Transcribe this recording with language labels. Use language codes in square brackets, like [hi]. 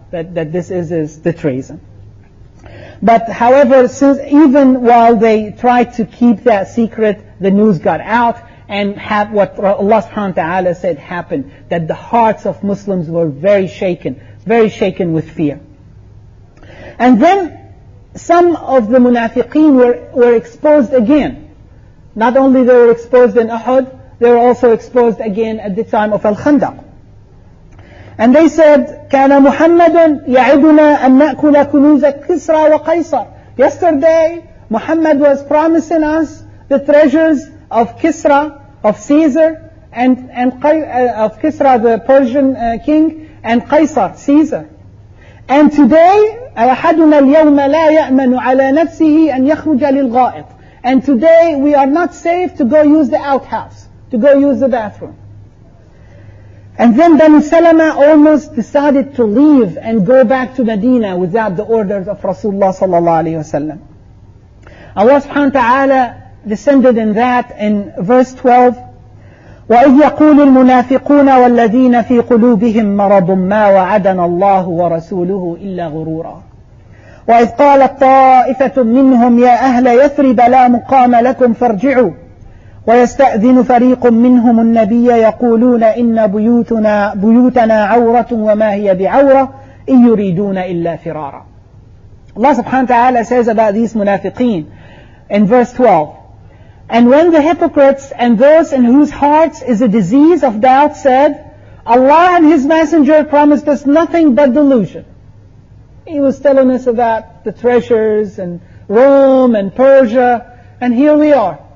[en] That this is the treason. But however, since even while they tried to keep that secret, the news got out, and what Allah subhanahu wa ta'ala said happened, that the hearts of Muslims were very shaken with fear. And then some of the munafiqeen were exposed again. Not only they were exposed in Uhud, they were also exposed again at the time of al-Khandaq. And they said, [ar] كان محمد يعدنا أن نأكل كنوز كسرى وقيصر. [en] Yesterday, Muhammad was promising us the treasures of Kisra, of Caesar, and of Kisra, the Persian king, and Qaisar, Caesar. And today, [ar] أحدنا اليوم لا يأمن على نفسه أن يخرج للغائط. [en] And today, we are not safe to go use the outhouse, to go use the bathroom. And then Bani Salama almost decided to leave and go back to Medina without the orders of Rasulullah sallallahu alayhi wa sallam. Allah subhanahu wa ta'ala descended in that in verse 12. [ar] وَإِذْ يَقُولُ الْمُنَافِقُونَ وَالَّذِينَ فِي قُلُوبِهِمْ مَرَضٌ مَا وَعَدَنَا اللَّهُ وَرَسُولُهُ إِلَّا غُرُورًا وَإِذْ قَالَ طَائِفَةٌ مِّنْهُمْ يَا أَهْلَ يَثْرِبَ لَا مُقَامَ لَكُمْ فَارْجِعُوا ويستأذن فريق منهم النبي يقولون إن بيوتنا عورة وما هي بعورة إن يريدون إلا فرارا. [en] Allah subhanahu wa ta'ala says about these munafiqeen in verse 12, and when the hypocrites and those in whose hearts is a disease of doubt said, Allah and His Messenger promised us nothing but delusion. He was telling us about the treasures and Rome and Persia, and here we are.